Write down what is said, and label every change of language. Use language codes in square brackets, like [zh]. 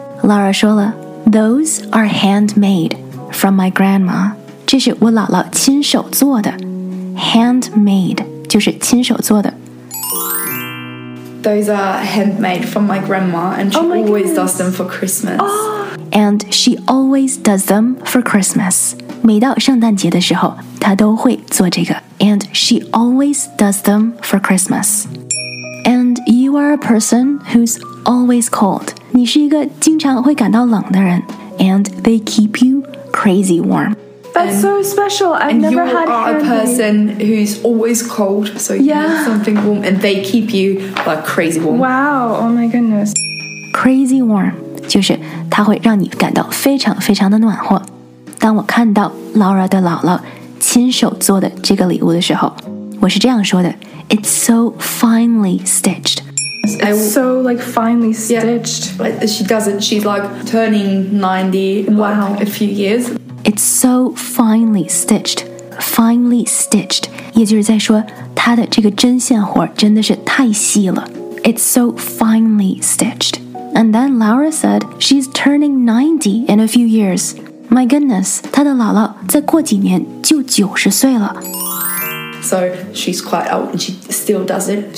[en] Laura [zh] 说了， [en] Those are handmade from my grandma. [zh] 这是我姥姥亲手做的。Handmade 就是亲手做的。 [en] Those are handmade from my grandma, and she always does them for Christmas. And she always does them for Christmas. [zh] 每到圣诞节的时候，她都会做这个。 [en] And she always does them for Christmas. And you are a person who's always cold. [zh] 你是一个经常会感到冷的人。 [en] And they keep you crazy warm. That's so special. I've never had handmade. A person who's always cold, so you need something warm, and they keep you like crazy warm. Wow, oh my goodness. [zh] Crazy warm, 就是它会让你感到非常非常的暖和。当我看到 Laura 的姥姥亲手做的这个礼物的时候，我是这样说的， [en] It's so finely stitched. It's so like finely stitched. Yeah, she does it. She's like turning 90 a few years. It's so finely stitched. Finely stitched. [zh] 也就是在说它的这个针线活真的是太细了。 [en] It's so finely stitched. And then Laura said, she's turning 90 in a few years. My goodness, [zh] 她的姥姥再过几年就九十岁了。 [en] So she's quite old and she still does it.